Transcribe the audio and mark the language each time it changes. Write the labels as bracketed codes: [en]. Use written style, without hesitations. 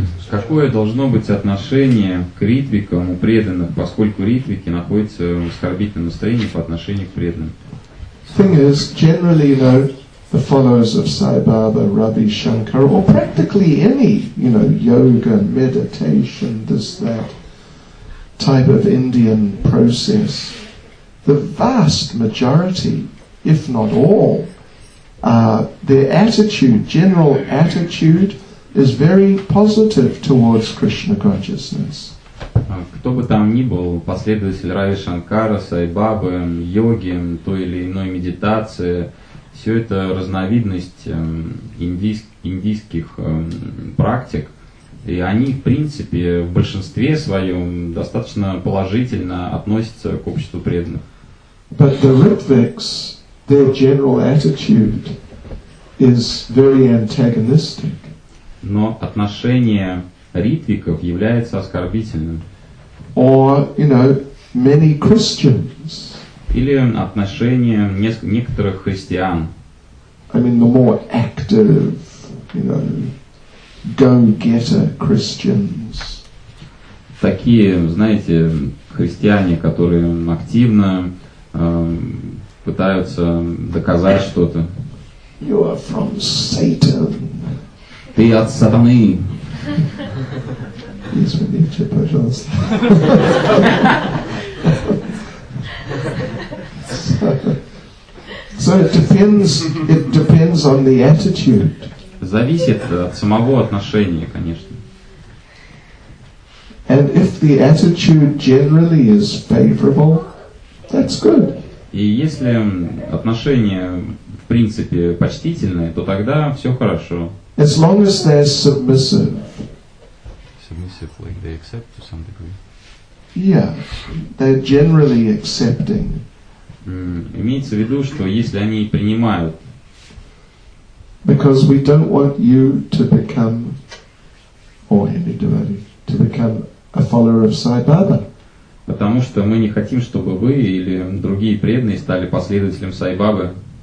[ru] Какое должно быть отношение к ритвикам у преданных, поскольку ритвики находятся в оскорбительном настроении по отношению к преданным? [en] Thing is, generally, you know, the followers of Sai Baba, Ravi Shankar, or practically any, you know, yoga, meditation, this, that type of Indian process, the vast majority, if not all, their attitude, general attitude, is very positive towards Krishna consciousness. [ru] Кто бы там ни был, последователь Рави Шанкара, Сай Бабы, йоги, той или иной медитации, все это разновидность индийских практик, и они, в принципе, в большинстве своем достаточно положительно относятся к обществу преданных. [en] But the Ritviks, their general attitude is very antagonistic. [ru] Но отношение ритвиков является оскорбительным. [en] Or, you know, many Christians. [ru] Или отношение некоторых христиан. [en] I mean, the more active, you know, go-getter Christians. [ru] Такие, знаете, христиане, которые активно пытаются доказать что-то. [en] You are from Satan. [ru] Ты от сатаны. Извините, пожалуйста. [en] So it depends on the attitude. [ru] Зависит от самого отношения, конечно. [en] And if the attitude generally is favorable, that's good. [ru] И если отношение в принципе почтительное, то тогда все хорошо. [en] As long as they're submissive. Submissive, like they accept to some degree. Yeah, they're generally accepting. [ru] Имеется в виду, что если они принимают. [en] Because we don't want you to become, or any devotee, to become a follower of Sai Baba. [ru] Потому что мы не хотим, чтобы вы или другие преданные стали последователем Сай Бабы.